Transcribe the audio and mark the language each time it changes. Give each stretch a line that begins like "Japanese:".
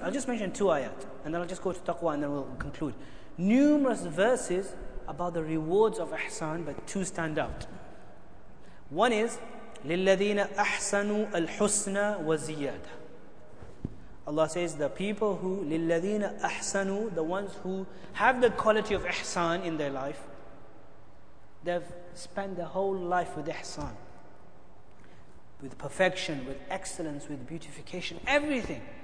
English: I'll just mention two ayat and then I'll just go to taqwa and then we'll conclude. Numerous verses about the rewards of ihsan, but two stand out. One is
Arabic: لِلَّذِينَ أَحْسَنُوا الْحُسْنَ وَزِيَادَةً.
English: Allah says the people who
Arabic: لِلَّذِينَ أَحْسَنُوا,
English: the ones who have the quality of ihsan in their life, they've spent their whole life with ihsan, with perfection, with excellence, with beautification, everything.